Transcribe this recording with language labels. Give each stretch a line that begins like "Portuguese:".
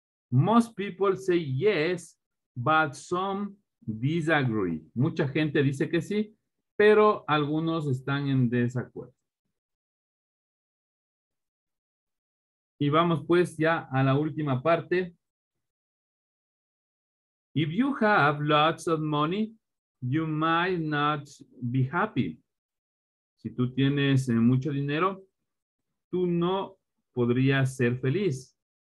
English: Most people say yes, but some disagree.
Spanish: Mucha gente dice que sí, pero algunos están en desacuerdo. Y vamos pues ya a la última parte.
English: If you have lots of money, you might not be happy.
Spanish: Si tú tienes mucho dinero, tú no podrías ser feliz.